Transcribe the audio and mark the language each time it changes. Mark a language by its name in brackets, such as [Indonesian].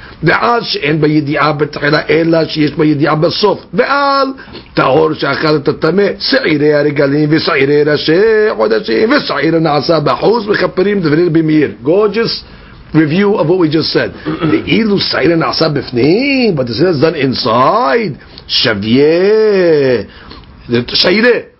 [Hebrew] ועל שאין בידיעה בתחילה אלא שיש בידיעה בסוף ועל טהור שאכל את הטמא שעירי הרגלים ושעירי ראשי חודשים ושעיר הנעשה בחוץ מכפרים דברי רבי מאיר. [English] Gorgeous review of what we just said. [Hebrew] ואילו שעיר הנעשה בפנים, [English] but this is done inside, [Hebrew] שווייה שעירי.